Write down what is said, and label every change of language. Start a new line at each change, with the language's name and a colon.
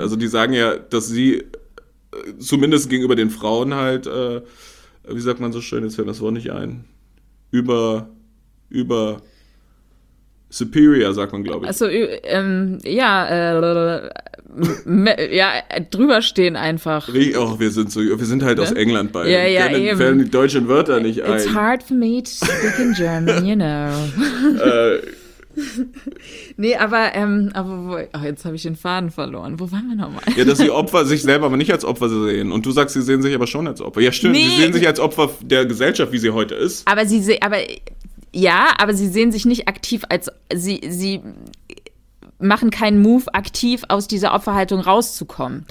German: Also die sagen ja, dass sie zumindest gegenüber den Frauen halt, wie sagt man so schön, jetzt fällt mir das Wort nicht ein, über superior, sagt man, glaube ich. Also ja, drüber stehen einfach. Wir sind halt, ne? Aus England beide. Ja, ja, eben. Fällen die deutschen Wörter nicht ein.
English: It's hard for me to speak in German, you know.
German: Nee, jetzt habe ich den Faden verloren. Wo waren wir nochmal? Ja, dass die Opfer sich selber aber nicht als Opfer sehen. Und du sagst, sie sehen sich aber schon als Opfer. Ja, stimmt, nee. Sie sehen sich als Opfer der Gesellschaft, wie sie heute ist. Aber sie sehen sich nicht aktiv als, sie machen keinen Move, aktiv aus dieser Opferhaltung rauszukommen.